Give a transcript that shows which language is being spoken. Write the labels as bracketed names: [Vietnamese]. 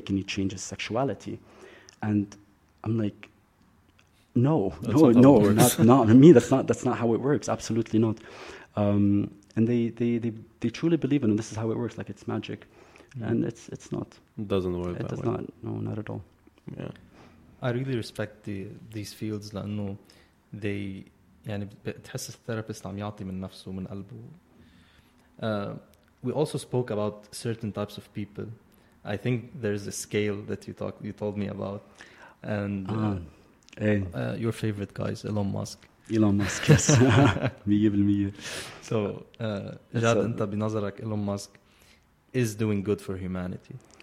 [English] Can you change his sexuality? And I'm like, no, not me. That's not how it works. Absolutely not. And they truly believe in it. This is how it works. Like it's magic. Mm-hmm. And it's not. It doesn't work that way. It does not. No, not at all. Yeah. I really respect these fields. I know they, [Arabic] يعني تحس الثيرابيست عم يعطي من نفسه من قلبه. [English] We also spoke about certain types of people. I think there's a scale that you told me about, and your favorite guys, Elon Musk. Elon Musk, yes. 100%. So, Jad, [Arabic] انت بنظرك [English] Elon Musk is doing good for humanity.